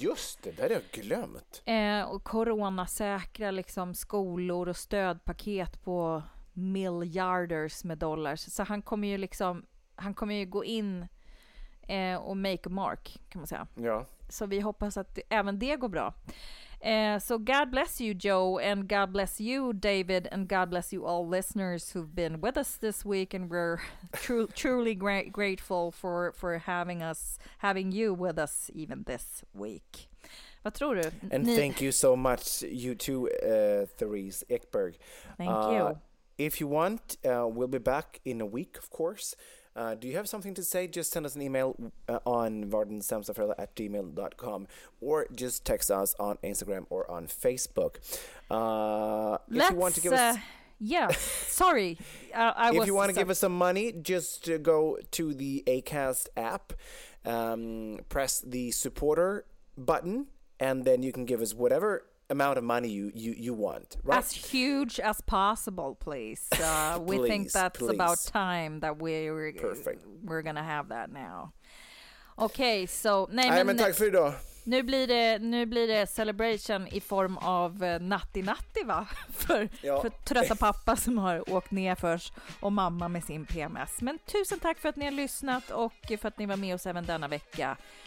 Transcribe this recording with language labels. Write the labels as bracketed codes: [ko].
[sv] Just det, där har jag glömt. Och coronasäkra liksom skolor och stödpaket på miljarders med dollars. Så han kommer ju gå in och [en] make a mark, [sv] kan man säga. Ja. Så vi hoppas att även det går bra. [en] So God bless you, Joe, and God bless you, David, and God bless you all listeners who've been with us this week, and we're truly grateful for having you with us even this week. [sv] Vad tror du? [en] And thank you so much, you too, Therese Ekberg. Thank you. If you want, we'll be back in a week, of course. Do you have something to say? Just send us an email on vardensamstafrella@gmail.com, or just text us on Instagram or on Facebook. If you want to give us... yeah, sorry. If you want to give us some money, just go to the Acast app, press the supporter button, and then you can give us whatever amount of money you want, right? As huge as possible, please. We please, think that's please. About time that we're gonna have that now. Okay, so [sv] nej, men tack för idag. Nu blir det celebration i form av natti natti, va, för trötta pappa som har åkt ner först, och mamma med sin PMS. Men tusen tack för att ni har lyssnat, och för att ni var med oss även denna vecka.